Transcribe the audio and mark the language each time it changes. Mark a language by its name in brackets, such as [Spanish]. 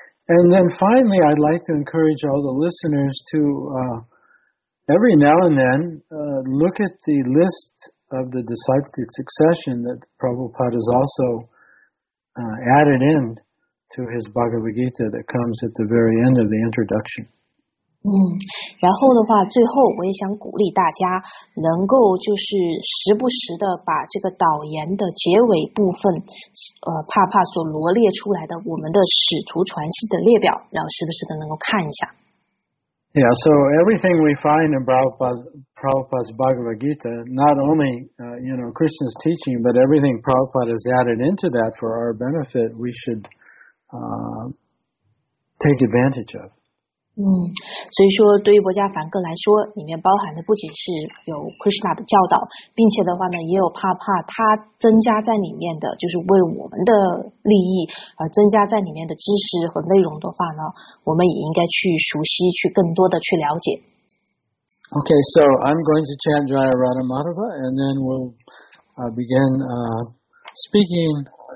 [English] And then finally, I'd like to encourage all the listeners to every now and then look at the list of the disciplic succession that Prabhupada has also added in. To his Bhagavad Gita that comes at the very end of the introduction. [Chinese] 然后的话，最后我也想鼓励大家能够就是时不时的把这个导言的结尾部分，帕帕所罗列出来的我们的使徒传系的列表，然后时不时的能够看一下。 [English] Yeah, so everything we find in Prabhupada's Bhagavad Gita, not only, Krishna's teaching, but everything Prabhupada has added into that for our benefit, we should. Take advantage of. [Chinese] 所以说对于博伽梵歌来说，里面包含的不仅是有 Krishna 的教导，并且的话呢，也有帕帕他增加在里面的，就是为我们的利益而增加在里面的知识和内容的话呢，我们也应该去熟悉，去更多的去了解。 [English] Okay, so I'm going to chant Jaya Radha Madhava, and then we'll begin speaking.